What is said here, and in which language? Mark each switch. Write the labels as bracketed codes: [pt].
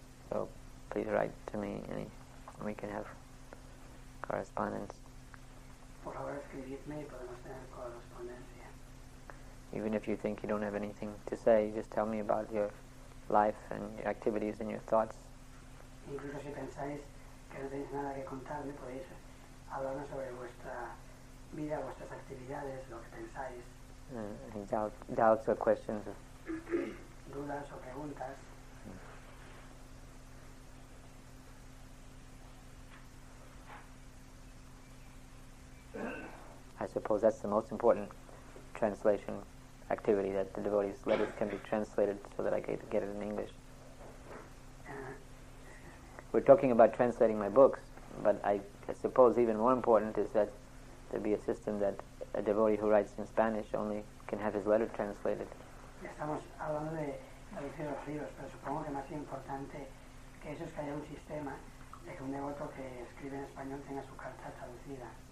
[en] So please write to me, and we can have correspondence. [es] Por favor, escribidme y podemos tener correspondencia. [en] Even if you think you don't have anything to say, just tell me about your life and your activities and your thoughts. [es] Incluso si pensáis que no tenéis nada que contarme, podéis hablarme sobre vuestra vida, vuestras actividades, lo que pensáis. [en] Any doubts or questions? [es] Dudas o preguntas. [en] I suppose that's the most important translation. Activity that the devotees' letters can be translated so that I can get it in English. We're talking about translating my books, but I suppose even more important is that there be a system that a devotee who writes in Spanish only can have his letter translated. [es] Estamos hablando de traducir los libros, pero supongo que más importante que eso es que haya un sistema de que un devoto que escribe en español tenga su carta traducida.